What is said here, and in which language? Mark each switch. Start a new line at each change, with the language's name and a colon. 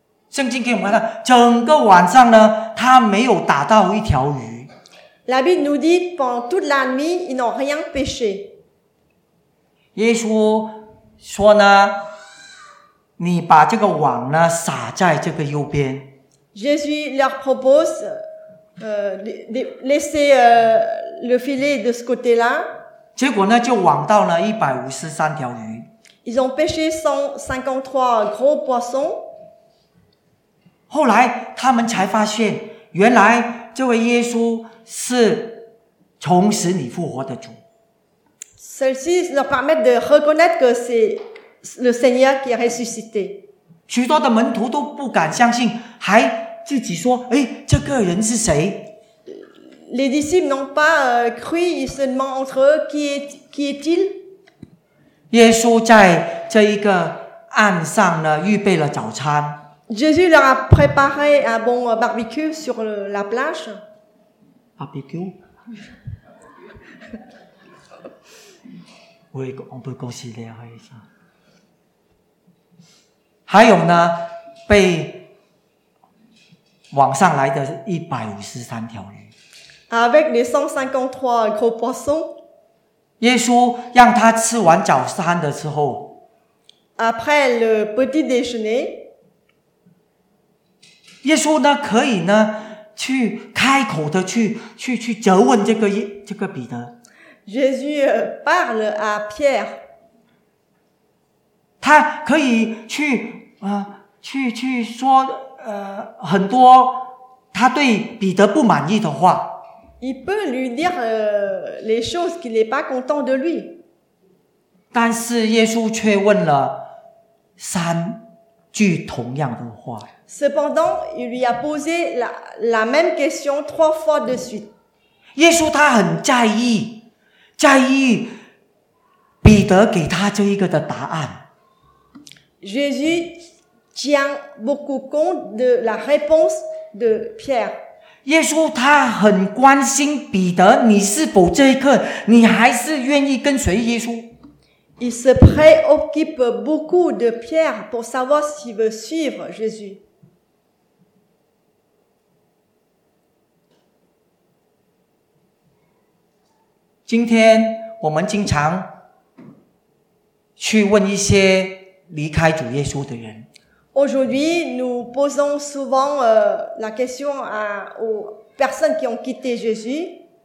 Chinese: 圣经给我们看，整个晚上呢，他没有打到一条鱼。
French: La Bible nous dit pendant toute la nuit, ils n'ont rien pêché.
Chinese: 耶稣说呢，你把这个网呢撒在这个右边。
French: Jésus leur propose de laisser le filet de ce côté-là.
Chinese: 结果呢，就网到了153条鱼。
French: Ils ont pêché 153 gros poissons.
Chinese: 后来他们才发现，原来这位耶稣是从死里复活的主。
French: Celles-ci leur permettent de reconnaître que c'est le Seigneur qui est ressuscité.
Chinese: 许多的门徒都不敢相信，还自己说：“哎，这个人是谁？”
French: Les disciples n'ont pas cru, ils se demandent entre eux qui est-il.
Chinese: 耶稣在这一个岸上呢，预备了早餐。
French: Jésus leur a préparé un bon barbecue sur la plage. Barbecue. Oui, on peut considérer ça.
Chinese: 还有呢，被网上来的153条鱼。
French: Avec les 153 gros poissons.
Chinese: 耶稣让他吃完早餐的时候。
French: Après le petit déjeuner.
Chinese: 耶稣呢可以呢去开口的去责问这个彼得。
French: Jésus parle à Pierre.
Chinese: 他可以去说很多他对彼得不满意的话。
French: Il peut lui dire les choses qu'il n'est pas content de lui.
Chinese: 但是耶稣却问了三句同样的话。
French: Cependant, il lui a posé la même question trois fois de suite.
Chinese: 耶稣他很在意彼得给他这一个的答案。
French: Jésus tient beaucoup compte de la réponse de Pierre.
Chinese: 耶稣他很关心彼得，你是否这一刻你还是愿意跟随耶稣
French: ？Il se préoccupe beaucoup de Pierre pour savoir s'il veut suivre Jésus.
Chinese: 今天我们经常去问一些离开主耶稣的人。
French: Aujourd'hui, nous posons souvent la question aux personnes qui ont quitté Jésus.